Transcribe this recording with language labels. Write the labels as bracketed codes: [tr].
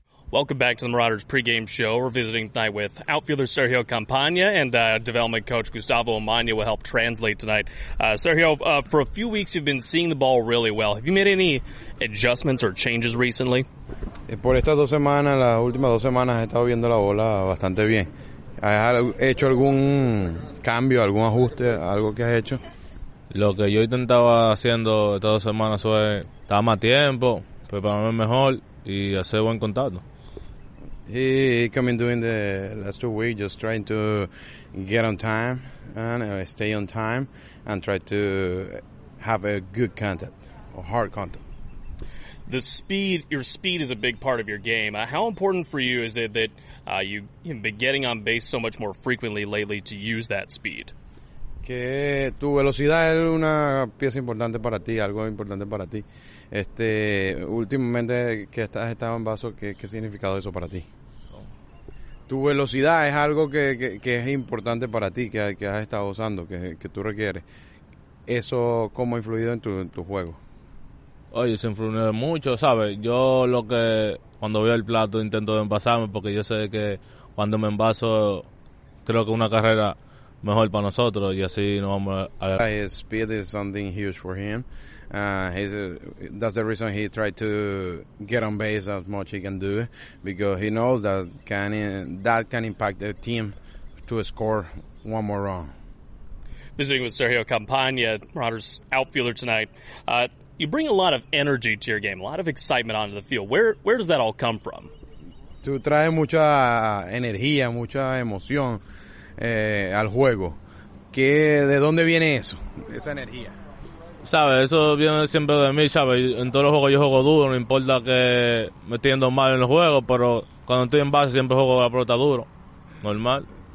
[en] Welcome back to the Marauders pregame show. We're visiting tonight with outfielder Sergio Campagna and development coach Gustavo Amaña will help translate tonight. Sergio, for a few weeks you've been seeing the ball really well. Have you made any adjustments or changes recently? [es] Por estas dos semanas, las últimas dos semanas, he estado viendo la bola bastante bien. ¿Has hecho algún cambio, algún ajuste, algo que has hecho? Lo que yo intentaba haciendo estas dos semanas fue estar más tiempo, prepararme mejor y hacer buen contacto. [en] He come in doing the last 2 weeks, just trying to get on time and stay on time and try to have a good contact or hard contact. The speed, your speed is a big part of your game. How important for you is it that you've been getting on base so much more frequently lately to use that speed? [es] Que tu velocidad es una pieza importante para ti, algo importante para ti. Últimamente que estás estado en vaso, ¿qué significado eso para ti? Tu velocidad es algo que es importante para ti, que has estado usando, que tú requieres. ¿Eso cómo ha influido en tu juego? Oye, se influye mucho, ¿sabes? Yo lo que, cuando veo el plato, intento de envasarme, porque yo sé que cuando me envaso, creo que una carrera mejor para nosotros, y así nos vamos a... [en] His speed is something huge for him. That's the reason he tried to get on base as much he can do, because he knows that can impact the team to score one more run. Visiting with Sergio Campagna, Marauders outfielder tonight. You bring a lot of energy to your game, a lot of excitement onto the field. Where does that all come from? [es] Tú traes mucha energía, mucha emoción al juego. ¿Qué, de dónde viene eso? Esa energía. ¿Sabes? Eso viene siempre de mí, ¿sabes? En todos los juegos yo juego duro, no importa que me esté yendo mal en el juego, pero cuando estoy en base siempre juego la pelota duro, normal.